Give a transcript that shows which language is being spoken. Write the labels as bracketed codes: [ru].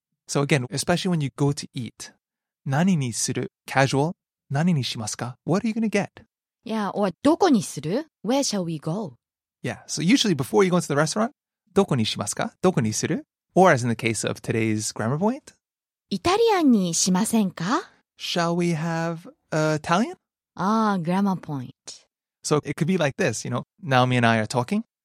[en] So again, especially when you go to eat, [ja] 何にする? [en] Casual. [ja] 何にしますか? [en] What are you going to get? Yeah, or [ja] どこにする? [en] Where shall we go? Yeah, so usually before you go to the restaurant, [ja] どこにしますか?どこにする? [en] Or as in the case of today's grammar point, [ja] イタリアンにしませんか? [en] Shall we have Italian? Grammar point. So it could be like this, you know, Naomi and I are talking.